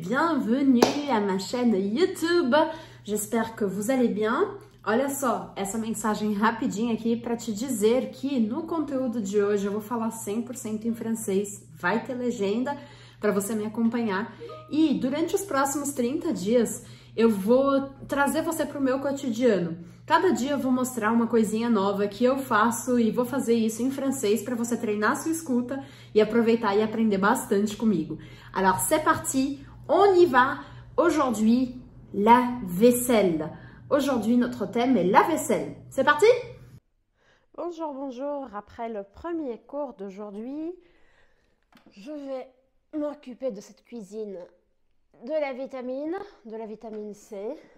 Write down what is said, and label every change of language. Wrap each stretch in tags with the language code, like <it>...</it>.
<fr>Bienvenue à ma chaîne YouTube! J'espère que vous allez bien.</fr> <pt>Olha só, essa mensagem rapidinha aqui para te dizer que no conteúdo de hoje eu vou falar 100% em francês, vai ter legenda para você me acompanhar. E durante os próximos 30 dias eu vou trazer você para o meu cotidiano. Cada dia eu vou mostrar uma coisinha nova que eu faço e vou fazer isso em francês para você treinar sua escuta e aproveitar e aprender bastante comigo.</pt> <fr>Alors, c'est parti, on y va! Aujourd'hui, la vaisselle. Aujourd'hui, notre thème est la vaisselle. C'est parti! Bonjour, bonjour. Après le premier cours d'aujourd'hui, je vais m'occuper de cette cuisine, de la vitamine C.</fr>